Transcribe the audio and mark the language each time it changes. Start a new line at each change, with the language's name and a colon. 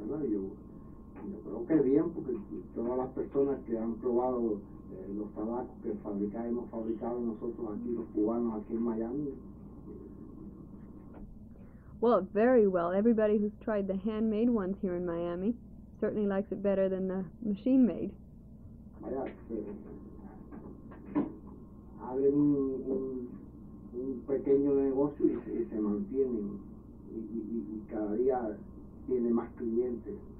Spanish: Yo creo que bien, porque todas las personas que han probado los tabacos que hemos fabricado nosotros aquí, los cubanos aquí en Miami.
English: Well, very well. Everybody who's tried the handmade ones here in Miami certainly likes it better than the machine made.
Spanish: Vaya, abren un pequeño negocio y se mantienen y cada día tiene más clientes.